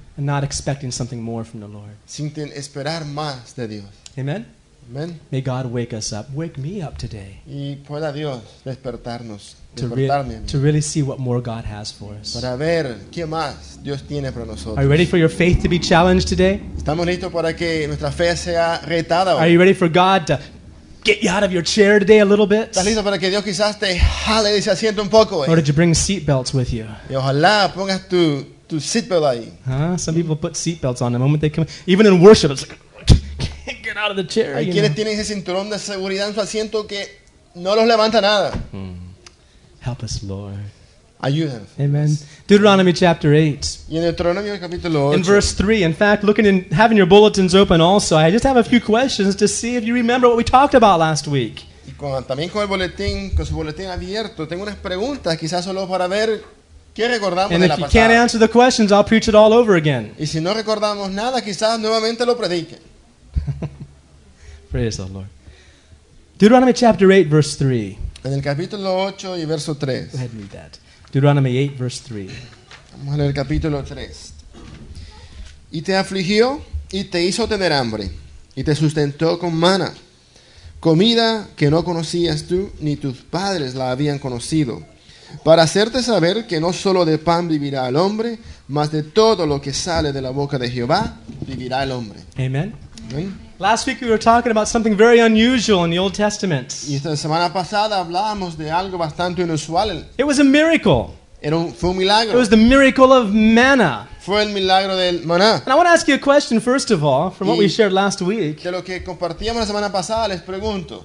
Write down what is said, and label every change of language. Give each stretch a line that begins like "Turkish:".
English: And not expecting something more from the Lord.
Spanish: Sin esperar más de Dios. Amen. Amen.
English: May God wake us up. Wake me up today.
Spanish: Y pueda Dios despertarnos.
English: To really see what more God has for us.
Spanish: Para ver qué más Dios tiene para nosotros.
English: Are you ready for your faith to be challenged today?
Spanish: ¿Estamos listos para que nuestra fe sea retada hoy?
English: Are you ready for God to get you out of your chair today a little bit?
Spanish: ¿Estás listo para que Dios quizás te jale ese asiento un poco,
English: Or did you bring seat belts with you?
Spanish: Y ojalá pongas tu
English: seat belt
Spanish: ahí. Huh?
English: Some people put seat belts on the moment they come. Even in worship, it's like, can't get out of the chair.
Spanish: Hay quienes tienen ese cinturón de seguridad en su asiento que no los levanta nada.
English: Help us, Lord.
Spanish: Ayúdanos.
English: Amen. Deuteronomy chapter 8.
Spanish: Y en Deuteronomio capítulo 8.
English: In verse 3. In fact, looking in, having your bulletins open also, I just have a few questions to see if you remember what we talked about last week.
Spanish: Y también con el boletín, con su boletín abierto, tengo unas preguntas, quizás solo para ver qué recordamos de la pasada.
English: And if you can't answer the questions, I'll preach it all over again.
Spanish: Y si no recordamos nada, quizás nuevamente lo predique.
English: Praise the Lord. Deuteronomy chapter 8, verse 3.
Spanish: En el capítulo 8 y verso 3.
English: Go ahead and read that. Deuteronomy 8, verse 3.
Spanish: Vamos a leer el capítulo 3. Y te afligió y te hizo tener hambre, y te sustentó con maná, comida que no conocías tú ni tus padres la habían conocido, para hacerte saber que no solo de pan vivirá el hombre, mas de todo lo que sale de la boca de Jehová vivirá el hombre. Amen. Amen.
English: Last week we were talking about something very unusual in the Old Testament.
Spanish: Y esta semana pasada hablábamos de algo bastante inusual.
English: It was a miracle.
Spanish: Fue un milagro.
English: It was the miracle of manna.
Spanish: Fue el milagro del maná.
English: And I want to ask you a question first of all, from what we shared last week.
Spanish: De lo que compartíamos la semana pasada, les pregunto.